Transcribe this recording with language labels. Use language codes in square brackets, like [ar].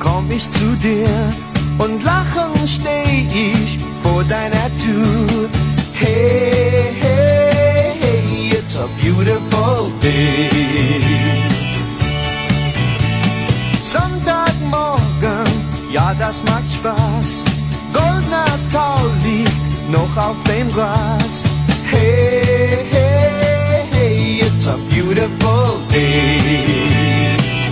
[de] ich zu dir und lachen steh ich vor deiner Tür. [en] Hey, hey, hey, it's a beautiful day. [de] Sonntagmorgen, ja, das macht Spaß. Goldener Tau liegt noch auf dem Gras. [en] Hey, hey, hey, it's a beautiful day.